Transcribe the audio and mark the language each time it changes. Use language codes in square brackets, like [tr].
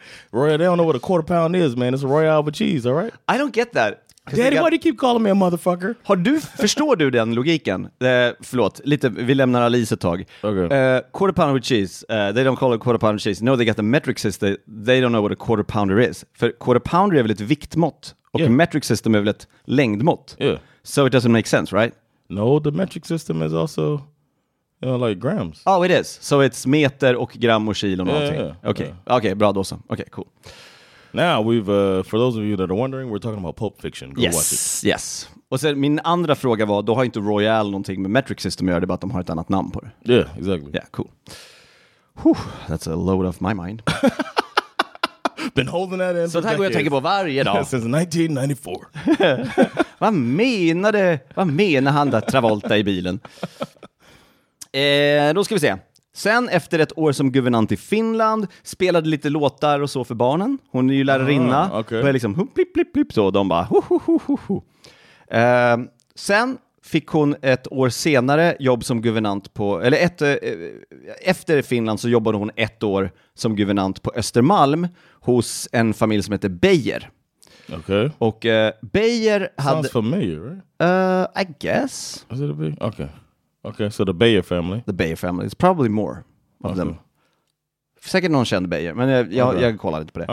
[en] Royale, they don't know what a quarter pound is, man. It's a Royale with cheese, all right? I don't get that. Daddy, why do you keep calling me a motherfucker? [sv] Förstår du den logiken? Förlåt, lite, vi lämnar Alice ett tag. [en] Okay. Quarter pounder with cheese. They don't call it quarter pounder cheese. No, they got the metric system. They don't know what a quarter pounder is. [sv] För quarter pounder är väl ett viktmått. Och metric system är väl ett längdmått. [en] Yeah. So it doesn't make sense, right? No, the metric system is also, you know, like grams. Oh, it is. So it's [sv] meter och gram och kilo och någonting. Okay, bra då så. Okay, cool. [en] Now we've, for those of you that are wondering, we're talking about Pulp Fiction. Go watch it. Yes. [sv] Och sen min andra fråga var, då har inte Royale någonting med metric system att göra, det bara att de har ett annat namn på det. [en] Yeah, exactly. Yeah, cool. Whew, that's a load off my mind. Been holding that in. [sv] Så det här går jag tänker på varje dag. [en] Since 1994. [sv] Vad menar han där Travolta i bilen? Då ska vi se. Sen efter ett år som guvernant i Finland spelade lite låtar och så för barnen. Hon är ju lärarinna. [en] Okay. [sv] Började liksom hupp, plipp, plipp, plipp. Så de bara ho, ho, ho, ho. Sen fick hon ett år senare jobb som guvernant på, eller ett, efter Finland så jobbade hon ett år som guvernant på Östermalm hos en familj som heter Beijer. [en] Okay. [sv] Och Beijer hade... [en] Sounds familiar, right? I guess. Is it a Beijer? Okay. Okay, so the Beijer family. The Beijer family. It's probably more of okay. them. [sv] Säkert någon kände Beijer, men jag kollade lite på det.